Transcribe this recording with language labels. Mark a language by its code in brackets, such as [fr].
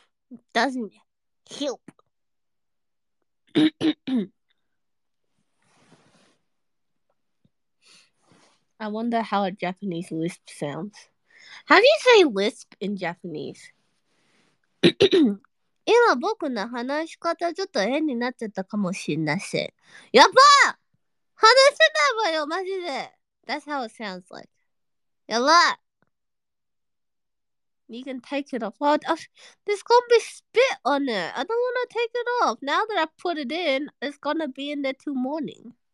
[en] It doesn't help. I wonder how a Japanese lisp sounds. How do you say lisp in Japanese? [ja] 今僕の話し方ちょっと変になっちゃったかもしれないし。やば！話せないわよ、マジで。 [en] That's how it sounds like. [ja] やば！ [en] You can take it off. Oh, there's gonna be spit on it. I don't wanna take it off. Now that I put it in, it's gonna be in there till morning.